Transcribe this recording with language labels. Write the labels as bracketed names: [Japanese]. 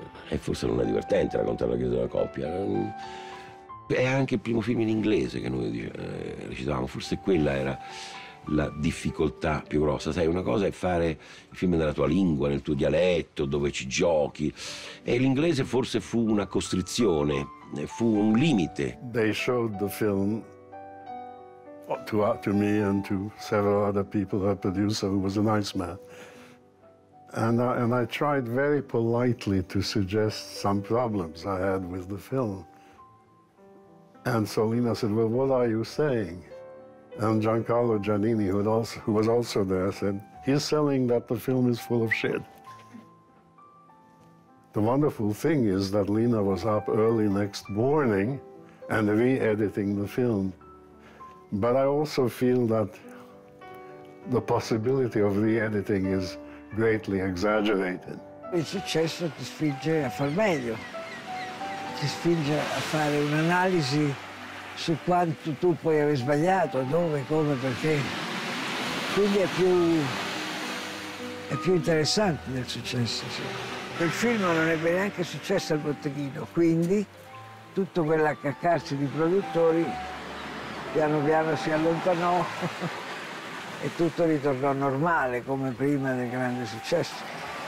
[Italian] E forse non è divertente raccontare la crisi di una coppia. È anche il primo film in inglese che noi recitavamo. Forse quella era la difficoltà più grossa. Sai, una cosa è fare il film nella tua lingua, nel tuo dialetto, dove ci giochi. E l'inglese forse fu una costrizione. Fu un limite. [English] They showed the film to me and to several other people, a producer who was a nice man. And I tried very politely to suggest some problems I had with the film. And Solina said, well, what are you saying? And Giancarlo Giannini, who was also there, said, he's saying that the film is full of shit. The wonderful thing is that Lena was up early next morning and re-editing the film. But I also feel that the possibility of re-editing is greatly exaggerated. [Italian] Il successo ti spinge a far meglio. Ti spinge a fare un'analisi su quanto tu puoi aver sbagliato, dove, come, perché. Quindi è più interessante del successo, sì. Il film non ebbe neanche successo al botteghino, quindi tutto quell'accaccarsi di produttori piano piano si allontanò e tutto ritornò normale come prima del grande successo.